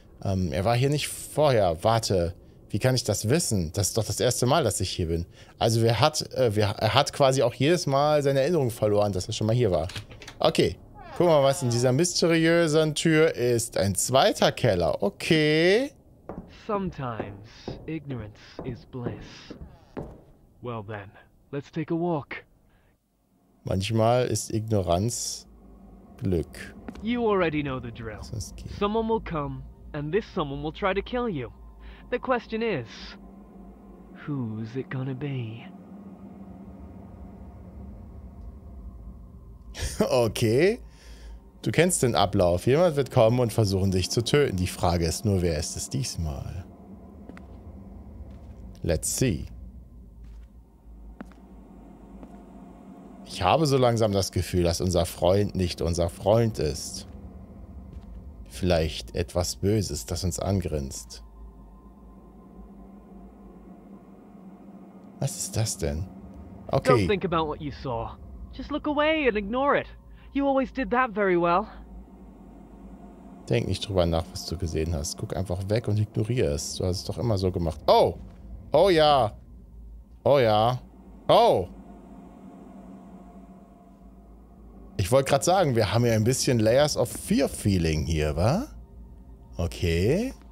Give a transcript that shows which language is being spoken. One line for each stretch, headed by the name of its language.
German: Er war hier nicht vorher. Warte, wie kann ich das wissen? Das ist doch das erste Mal, dass ich hier bin. Also er hat quasi auch jedes Mal seine Erinnerung verloren, dass er schon mal hier war. Okay. Guck mal, was in dieser mysteriösen Tür ist. Ein zweiter Keller. Okay.
English: Sometimes ignorance is bliss. Well then, let's take a walk.
German: Manchmal ist Ignoranz Glück.
English: You already know the drill. Someone will come, and this someone will try to kill you. The question is, who's it gonna be?
German: Okay. Du kennst den Ablauf. Jemand wird kommen und versuchen, dich zu töten. Die Frage ist nur, wer ist es diesmal?
English: Let's see.
German: Ich habe so langsam das Gefühl, dass unser Freund nicht unser Freund ist. Vielleicht etwas Böses, das uns angrinst. Was ist das denn? Okay.
English: Don't think about what you saw. Just look away and ignore it. You always did that very well.
German: Denk nicht drüber nach, was du gesehen hast. Guck einfach weg und ignoriere es. Du hast es doch immer so gemacht. Oh! Oh ja! Oh ja! Oh! Ich wollte gerade sagen, wir haben ja ein bisschen Layers of Fear Feeling hier, wa? Okay.